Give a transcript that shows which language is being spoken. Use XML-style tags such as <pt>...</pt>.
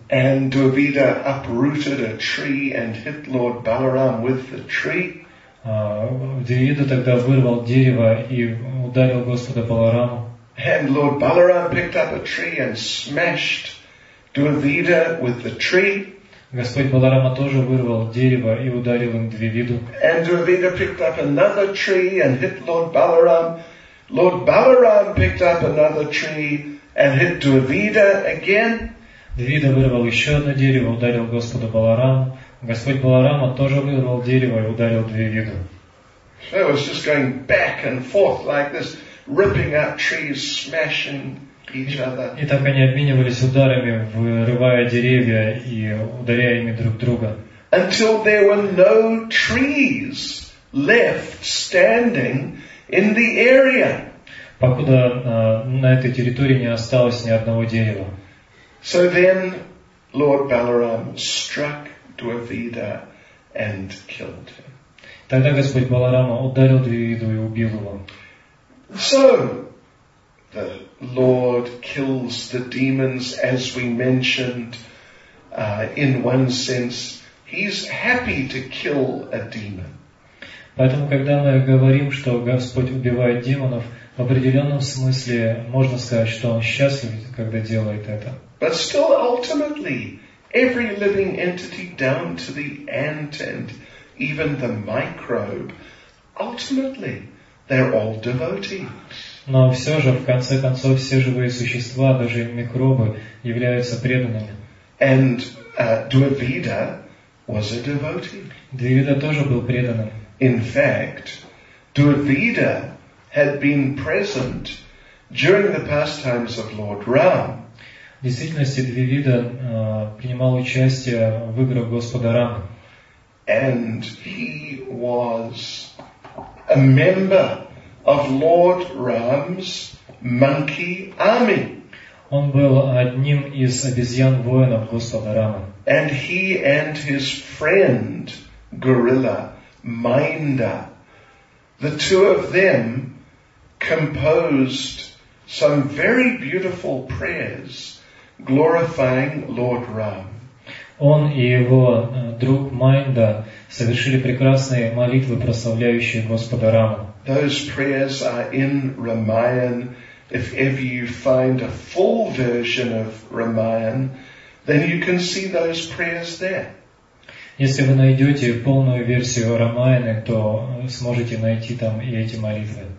<en>And Дурбида uprooted a tree and hit Lord Balaram with the tree.</en> <ru>Дурбида тогда вырвал дерево и ударил Господа Балараму.</ru> <en>And Lord Balaram picked up a tree and smashed Дурбида with the tree.</en> <ru>Господь Баларама тоже вырвал дерево и ударил им Дурбиду.</ru> <en>And Дурбида picked up another tree and hit Lord Balaram. Lord Balaram picked up another tree and hit Дурбида again.</en> <ru>Дурбида вырвал еще одно дерево, ударил Господа Балараму. Господь Баларама тоже вырвал дерево и ударил Дурбиду.</ru> <en>So it was just going back and forth like this, ripping up trees, smashing each other.</en> <ru>И так они обменивались ударами, вырывая деревья и ударяя ими друг друга.</ru> <en>Until there were no trees left standing in the area.</en> <ru>Покуда на этой территории не осталось ни одного дерева.</ru> <en>So then Lord Balaram struck Dwivida and killed him.</en> <ru>Тогда Господь Баларама ударил Дурбиду и убил его.</ru> <en>So the Lord kills the demons, as we mentioned, in one sense, he's happy to kill a demon.</en> <ru>Поэтому, когда мы говорим, что Господь убивает демонов, в определенном смысле можно сказать, что он счастлив, когда делает это.</ru> <en>But still, ultimately, every living entity, down to the ant and even the microbe, ultimately, they're all devotees.</en> <ru>Но все же, в конце концов, все живые существа, даже микробы, являются преданными.</ru> <en>And Dwivida was a devotee.</en> <ru>Дурбида тоже был преданным.</ru> <en>In fact, Dwivida had been present during the pastimes of Lord Ram.</en> <ru>В действительности, Дурбида принимал участие в играх Господа Рама.</ru> <en>And he was a member of Lord Ram's monkey army.</en> <ru>Он был одним из обезьян воинов Господа Рама.</ru> <en>And he and his friend Gorilla Minda, the two of them composed some very beautiful prayers glorifying Lord Ram.</en> <ru>Он и его друг Майнда совершили прекрасные молитвы, прославляющие Господа Раму.</ru> <en>Those prayers are in Ramayana. If ever you find a full version of Ramayana, then you can see those prayers there.</en> <ru>Если вы найдете полную версию Рамаяны, то сможете найти там и эти молитвы.</ru>